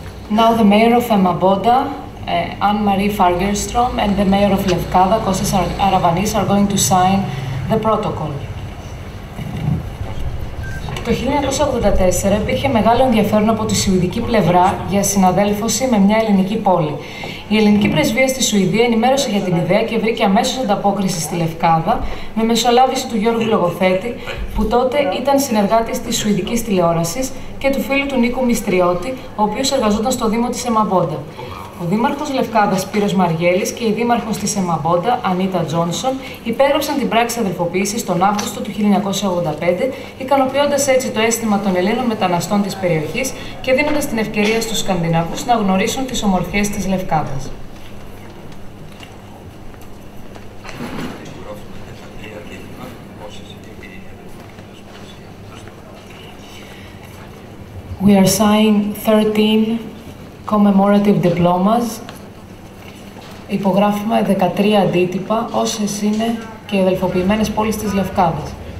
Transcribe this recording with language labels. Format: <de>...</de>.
<en>Now the mayor of Emaboda, Anne-Marie Fagerström, and the mayor of Lefkada, Kostas Aravanis, are going to sign the protocol.</en> <el>Το 1984 υπήρχε μεγάλο ενδιαφέρον από τη σουηδική πλευρά για συναδέλφωση με μια ελληνική πόλη. Η ελληνική πρεσβεία στη Σουηδία ενημέρωσε για την ιδέα και βρήκε αμέσως ανταπόκριση στη Λευκάδα με μεσολάβηση του Γιώργου Λογοθέτη, που τότε ήταν συνεργάτης της σουηδικής τηλεόρασης, και του φίλου του Νίκου Μιστριώτη, ο οποίος εργαζόταν στο Δήμο της Εμαμπόντα. Ο Δήμαρχος Λευκάδας Σπύρος Μαργέλης και η Δήμαρχος της Εμαμπόντα, Ανίτα Τζόνσον, υπέγραψαν την πράξη αδελφοποίησης τον Αύγουστο του 1985, ικανοποιώντας έτσι το αίσθημα των Ελλήνων μεταναστών της περιοχής και δίνοντας την ευκαιρία στους Σκανδιναβούς να γνωρίσουν τις ομορφιές της Λευκάδας.</el> <en>We are signing 13 commemorative diplomas.</en> <el>Υπογράφουμε 13 αντίτυπα, όσες είναι και οι αδελφοποιημένες πόλεις της Λευκάδας.</el>